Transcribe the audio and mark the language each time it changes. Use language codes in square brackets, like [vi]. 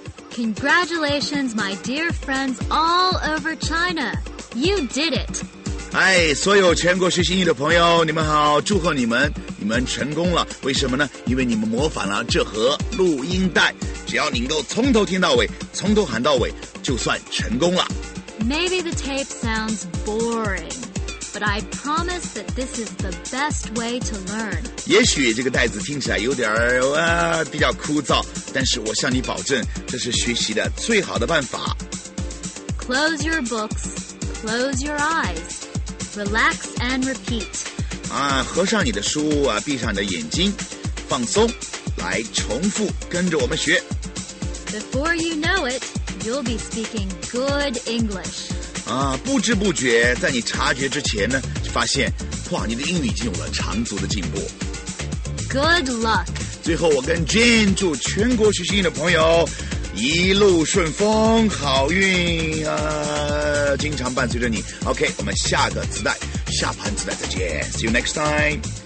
[en] Congratulations my dear friends all over China You did it [zh] 哎，所有全国学习英语的朋友你们好祝贺你们你们成功了为什么呢因为你们模仿了这盒录音带只要你能够从头听到尾从头喊到尾就算成功了 [en] Maybe the tape sounds boring But I promise that this is the best way to learn [zh] 也许这个带子听起来有点、比较枯燥但是我向你保证这是学习的最好的办法 [en] Close your books Close your eyes Relax and repeat [zh] 啊，合上你的书啊，闭上你的眼睛，放松，来重复，跟着我们学。 [en] Before you know it, you'll be speaking good English. [zh] 啊，不知不觉，在你察觉之前呢，发现，哇，你的英语已经有了长足的进步。 [en] Good luck. [zh] 最后，我跟 Jane 祝全国学习英语的朋友一路顺风，好运啊，经常伴随着你。 OK， 我们下个磁带。下盘子再见 [en] See you next time